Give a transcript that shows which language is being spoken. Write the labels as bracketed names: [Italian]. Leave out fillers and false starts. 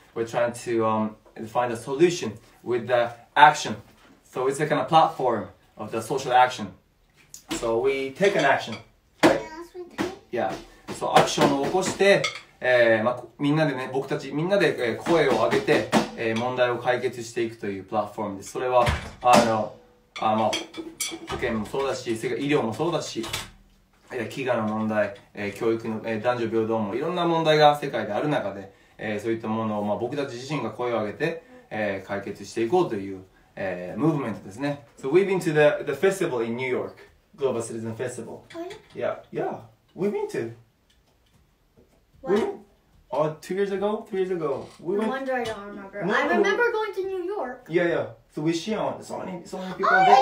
[English] We're trying to find a solution with the action. So it's a kind of platform of the social action. So we take an action. Right? Yeah. So action [Japanese] を起こして、まあ、みんなでね、僕たちみんなで、声を上げて、問題を解決していくというプラットフォームです。それは、まあ、保険もそうだし、それから医療もそうだし、飢餓の問題、教育の、男女平等もいろんな問題が世界である中で、そういったものを、まあ、僕たち自身が声を上げて、解決していこうという、ムーブメントですね。 [English] So we've been to the festival in New York. Global Citizen Festival. Oh, yeah? Yeah, yeah. We've been to. What? Oh, 2 years ago? 3 years ago. No wonder I don't remember. No, I remember going to New York. Yeah, yeah. So we're Shion. So many people. Oh, there. Yeah!